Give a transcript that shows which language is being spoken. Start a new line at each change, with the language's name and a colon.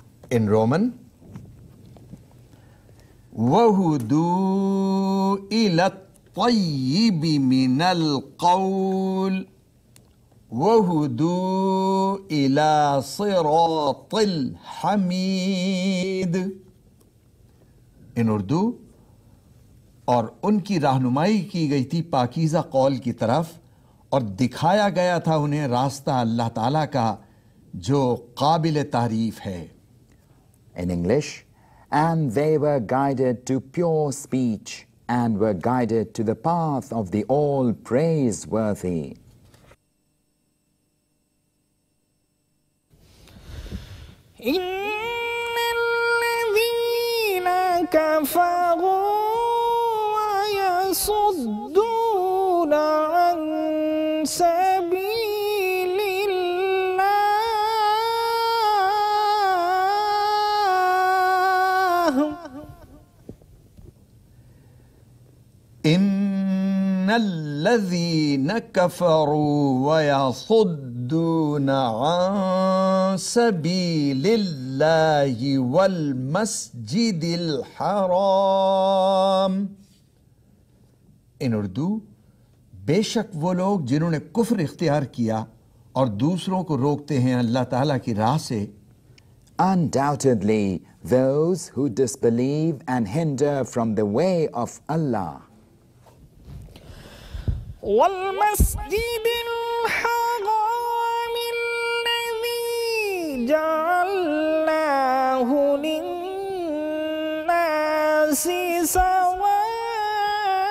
English: In Roman,
Arabic: وَهُدُوا إِلَى طيب من القول وهدوا إلى صراط الحميد
English: in Urdu,
Urdu: اور ان کی رہنمائی کی گئی تھی پاکیزہ قول کی طرف، اور دکھایا گیا تھا انہیں راستہ اللہ تعالی کا جو قابل تعریف ہے۔
English: In English, and they were guided to pure speech and were guided to the path of the all praiseworthy.
Arabic: Inna alladhina kafaru wa yasudduna an سَبِيلِ اللَّهِ إِنَّ الَّذِينَ كَفَرُوا وَيَصُدُّونَ عَنْ سَبِيلِ اللَّهِ وَالْمَسْجِدِ الْحَرَامِ
English: In Urdu,
Urdu: بے شک وہ لوگ جنہوں نے کفر اختیار کیا اور دوسروں کو روکتے ہیں اللہ تعالیٰ کی راہ سے
English: Undoubtedly, those who disbelieve and hinder from the way of Allah.
Arabic: والمسجد الحرام الذي جعلناه للناس سواء